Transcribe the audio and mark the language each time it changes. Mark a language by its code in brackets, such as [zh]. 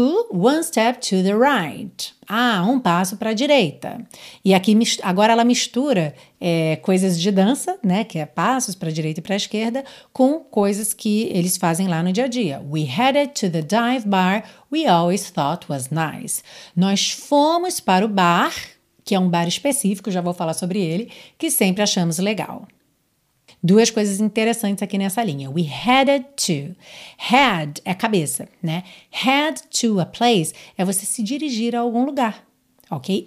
[en] One step to the right. [pt] Ah, um passo para a direita. E aqui, agora ela mistura coisas de dança, né? Que é passos para a direita e para a esquerda, com coisas que eles fazem lá no dia a dia. [en] We headed to the dive bar we always thought was nice. [pt] Nós fomos para o bar, que é um bar específico, já vou falar sobre ele, que sempre achamos legal. Duas coisas interessantes aqui nessa linha. [en] We headed to. [pt] Head é cabeça, né? Head to a place é você se dirigir a algum lugar, ok?